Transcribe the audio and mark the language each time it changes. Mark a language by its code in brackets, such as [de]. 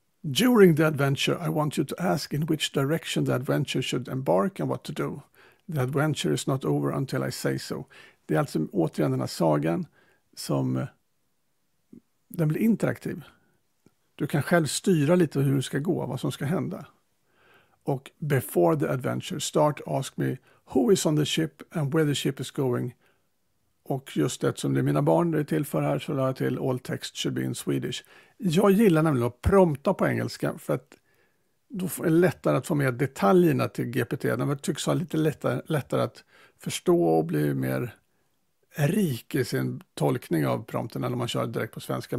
[en] During the adventure, I want you to ask in which direction the adventure should embark and what to do. The adventure is not over until I say so. [sv] Det är alltså återigen den här sagan som den blir interaktiv. Du kan själv styra lite hur det ska gå, vad som ska hända. [en] Och before the adventure, start ask me who is on the ship and where the ship is going. [sv] Och just det som det är mina barn det är till för här så lär jag till [en] all text should be in Swedish. [sv] Jag gillar nämligen att prompta på engelska för att då är det lättare att få med detaljerna till GPT. Den tycks ha lite lättare att förstå och bli mer rik i sin tolkning av prompten när man kör direkt på svenska.